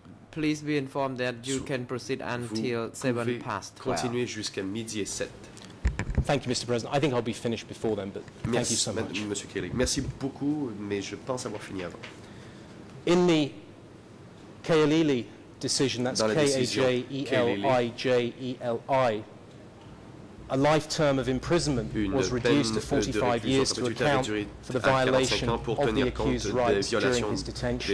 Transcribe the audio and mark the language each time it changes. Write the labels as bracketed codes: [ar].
[en] Please be informed that you can proceed until 7 past 12. [fr] Continuez jusqu'à midi et 7. [en] Thank you, Mr. President. I think I'll be finished before then, but thank you so much. [fr] Monsieur Kelly. Merci beaucoup, mais je pense avoir fini avant. [en] In the Kaylili decision, that's K-A-J-E-L-I-J-E-L-I, a life term of imprisonment was reduced to 45 years to account for the violation of the accused's rights during his detention.